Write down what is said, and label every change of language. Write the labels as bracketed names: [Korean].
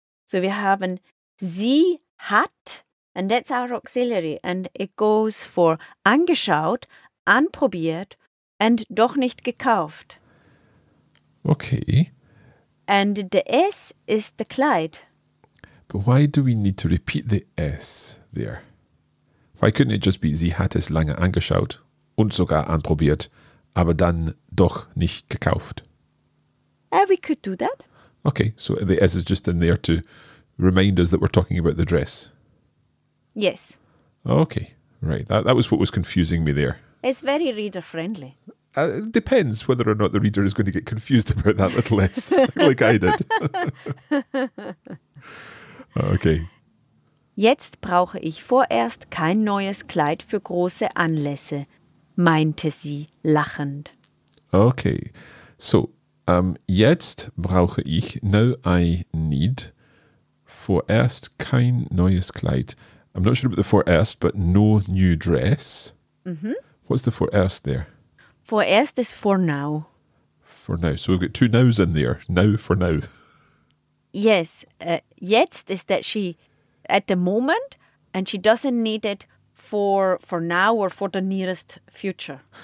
[English] So we have an [German] sie hat, [English] and that's our auxiliary. And it goes for [German] angeschaut, anprobiert, [English] and [German] doch nicht gekauft. [English] Okay. And the S is the Kleid. But why do we need to repeat the S there? Why couldn't it just be, [German] sie hat es lange angeschaut und sogar anprobiert, aber dann doch nicht gekauft? [English] We could do that. Okay, so the S is just in there to remind us that we're talking about the dress. Yes. Okay, right. That was what was confusing me there. It's very reader-friendly. It depends whether or not the reader is going to get confused about that little S, like I did. Okay. [German] Jetzt brauche ich vorerst kein neues Kleid für große Anlässe, meinte sie lachend. [English] Okay. [German] So, jetzt brauche ich, [English] now I need, [German] vorerst kein neues Kleid. [English] I'm not sure about the vorerst, but no new dress. Mm-hmm. What's the vorerst there? Vorerst is for now. For now. So we've got two nows in there. Now, for now. Yes. Jetzt is that she, at the moment, and she doesn't need it for now or for the nearest future.